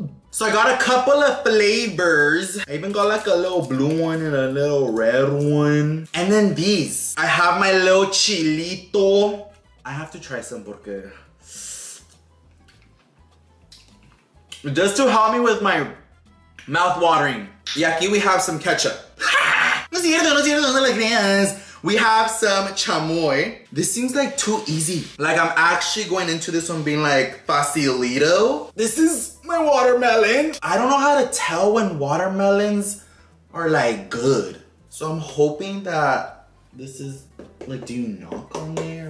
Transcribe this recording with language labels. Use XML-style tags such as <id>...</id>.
<en>So I got a couple of flavors. I even got like a little blue one and a little red one. And then these. I have my little chilito. I have to try some porque just to help me with my mouth watering.</en> <es>Y aquí</es> <en>we have some ketchup.</en> <es>No cierto, no cierto, no le creas.</es> <en>We have some chamoy. This seems like too easy. Like I'm actually going into this one being like facilito. This is my watermelon. I don't know how to tell when watermelons are like good. So I'm hoping that this is like, do you knock on there?</en>